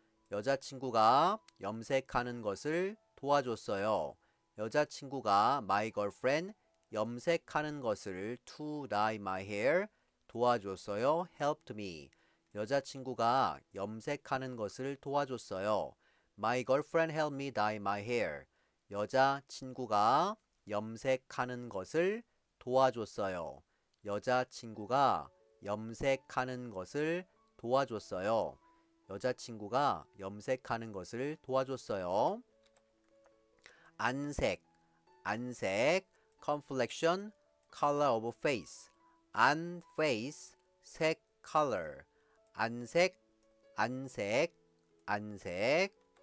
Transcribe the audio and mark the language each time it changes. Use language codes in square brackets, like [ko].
[ko] 여자친구가 염색하는 것을 도와줬어요. 여자친구가 [en] my girlfriend [ko] 염색하는 것을 [en] to dye my hair [ko] 도와줬어요. [en] helped me. [ko] 여자친구가 염색하는 것을 도와줬어요. [en] My girlfriend helped me dye my hair. [ko] 여자친구가 염색하는 것을 도와줬어요. 여자친구가 염색하는 것을 도와줬어요. 여자친구가 염색하는 것을 도와줬어요. 안색, 안색, complexion, [en] color of face, [ko] 안 face, 색 color, 안색, 안색, 안색.